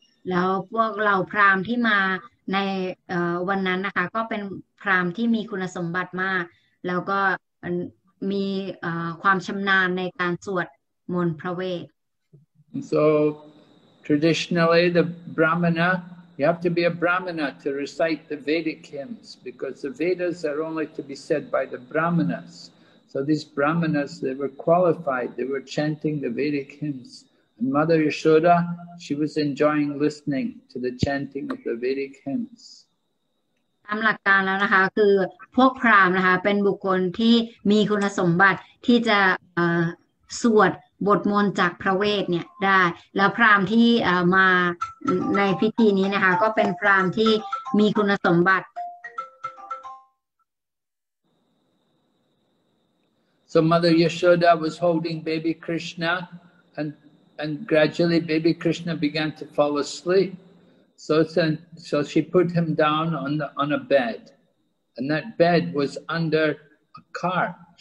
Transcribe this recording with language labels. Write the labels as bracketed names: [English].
[Thai] แล้วพวกเหล่าพราหมณ์ที่มาในวันนั้นนะคะก็เป็นพราหมณ์ที่มีคุณสมบัติมากแล้วก็มีความชำนาญในการสวดมนต์พระเวท [English] So traditionally the brahmana You have to be a brahmana to recite the Vedic hymns because the Vedas are only to be said by the brahmanas. So these brahmanas, they were qualified, they were chanting the Vedic hymns. And Mother Yashoda, she was enjoying listening to the chanting of the Vedic hymns. [Thai] ตามหลักการแล้วนะคะคือพวกพราหมณ์นะคะเป็นบุคคลที่มีคุณสมบัติที่จะสวดบทมนต์จากพระเวทเนี่ยได้แล้วพราหมณ์ที่มาในพิธีนี้นะคะก็เป็นพราหมณ์ที่มีคุณสมบัติ [English] So Mother Yashoda was holding baby Krishna and gradually baby Krishna began to fall asleep. So she put him down on a bed, and that bed was under a cart.